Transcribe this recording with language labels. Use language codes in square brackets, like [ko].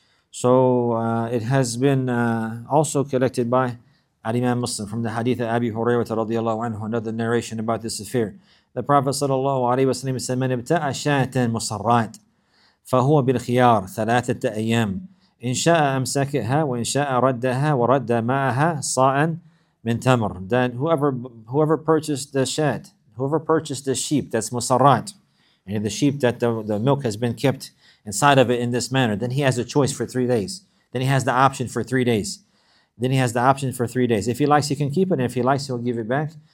[en] So it has been also collected by Al-Imam Muslim from the hadith of Abi Hurairah radiallahu anhu, another narration about this affair. The Prophet sallallahu alayhi wa sallam said, [ar] مَنْ ابْتَأَ شَاتًا مُصَرَّاتٍ فَهُوَ بِالْخِيَارِ ثَلَاثَةَ أَيَّامٍ إِنْ شَاءَ أَمْسَكَهَا وَإِنْ شَاءَ رَدَّهَا وَرَدَّ مَعَهَا صَاعًا مِنْ تَمْرٍ. [en] Then whoever purchased the shat, whoever purchased the sheep, that's musarrat, and the sheep that the milk has been kept inside of it in this manner, then he has a choice for 3 days. Then he has the option for 3 days. If he likes, he can keep it. And if he likes, he'll give it back.